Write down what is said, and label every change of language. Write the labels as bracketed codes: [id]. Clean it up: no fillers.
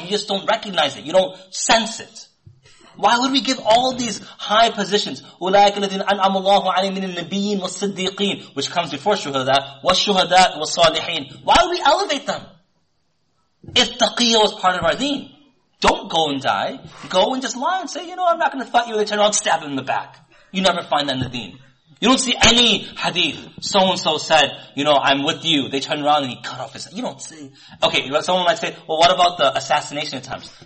[en] You just don't recognize it. You don't sense it. Why would we give all these high positions? [ar] أُولَٰئِكَ الَّذِينَ أَنْعَمُ اللَّهُ عَلَيْهِمْ مِنَ النَّبِيِّينَ وَالصِّدِّيقِينَ, [en] which comes before shuhada, [ar] وَالشُّهَدَاء وَالصَّالِحِينَ. [en] Why would we elevate them? If taqiyya was part of our deen, don't go and die. Go and just lie and say, you know, I'm not going to fight you. They turn around, stab him in the back. You never find that in the deen. You don't see any hadith. So-and-so said, you know, I'm with you. They turn around and he cut off his head. You don't see. Okay, someone might say, well, what about the assassination attempts?